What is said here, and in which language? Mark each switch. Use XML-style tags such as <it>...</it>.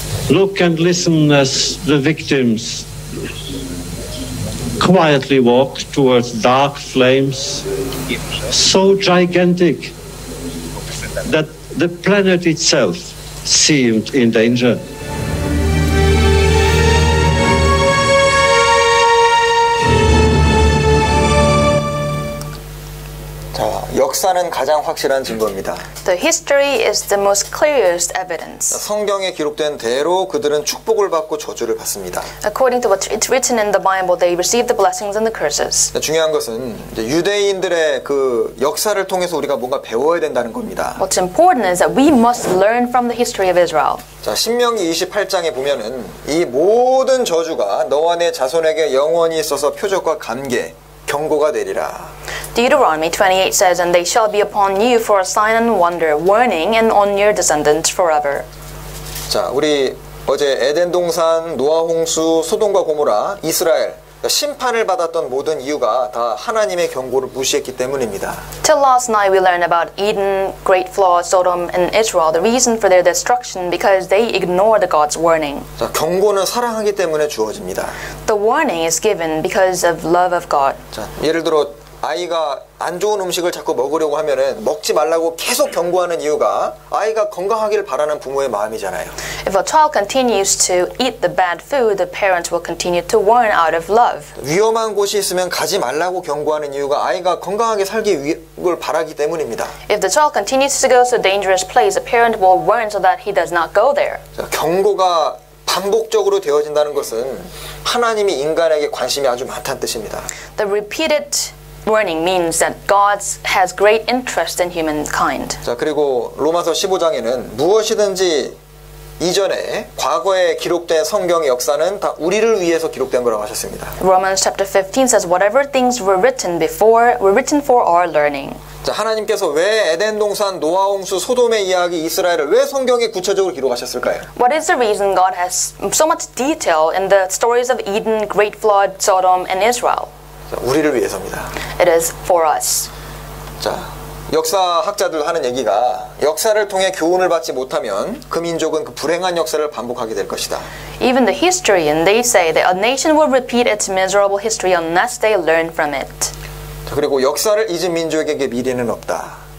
<en>Look and listen as the victims quietly walk towards dark flames, so gigantic that the planet itself seemed in danger. The history is the most clearest evidence.</en> <ko>성경에 기록된 대로 그들은 축복을 받고 저주를 받습니다.</ko> <en>According to what it's written in the Bible, they receive the blessings and the curses.</en> <ko>중요한 것은 유대인들의 그 역사를 통해서 우리가 뭔가 배워야 된다는 겁니다.</ko> <en>What's important is that we must learn from the history of Israel.</en> <ko>자, 신명기 28장에 보면은 이 모든 저주가 너와 내 자손에게 영원히 있어서 표적과 감계 경고가 되리라.</ko> <en>Deuteronomy 28 says, and they shall be upon you for a sign and wonder, warning, and on your descendants forever.</en> <ko>자, 우리 어제 에덴 동산, 노아 홍수, 소돔과 고모라, 이스라엘 심판을 받았던 모든 이유가 다 하나님의 경고를 무시했기 때문입니다.</ko> <en>Till last night we learned about Eden, Great Flood, Sodom and Israel, the reason for their destruction because they ignored God's warning.</en> <ko>자, 경고는 사랑하기 때문에 주어집니다.</ko> <en>The warning is given because of love of God.</en> <ko>자, 예를 들어 아이가 안 좋은 음식을 자꾸 먹으려고 하면은 먹지 말라고 계속 경고하는 이유가 아이가 건강하기를 바라는 부모의 마음이잖아요.</ko> <en>If a child continues to eat the bad food, the parents will continue to warn out of love.</en> <ko>위험한 곳이 있으면 가지 말라고 경고하는 이유가 아이가 건강하게 살기 위해 바라기 때문입니다.</ko> <en>If the child continues to go to a dangerous place, the parent will warn so that he does not go there.</en> <ko>자, 경고가 반복적으로 되어진다는 것은 하나님이 인간에게 관심이 아주 많다는 뜻입니다.</ko> <en>The repeated warning means that God has great interest in humankind.</en> <ko>자, 그리고 로마서 15장에는 무엇이든지 이전에 과거에 기록된 성경의 역사는 다 우리를 위해서 기록된 거라고 하셨습니다.</ko> <en>Romans chapter 15 says whatever things were written before were written for our learning.</en> <ko>자, 하나님께서 왜 에덴 동산, 노아 홍수, 소돔의 이야기, 이스라엘을 왜 성경에 구체적으로 기록하셨을까요?</ko> <en>What is the reason God has so much detail in the stories of Eden, Great Flood, Sodom and Israel?</en> <ko>우리를 위해서입니다.</ko> <en>It is for us.</en> <ko>자, 역사학자들 하는 얘기가 역사를 통해 교훈을 받지 못하면 그 민족은 그 불행한 역사를 반복하게 될 것이다.</ko> <en>Even the historian, they say that a nation will repeat its miserable history unless they learn from it.</en> <ko>자, 그리고 역사를 잊은 민족에게 미래는 없다.</ko>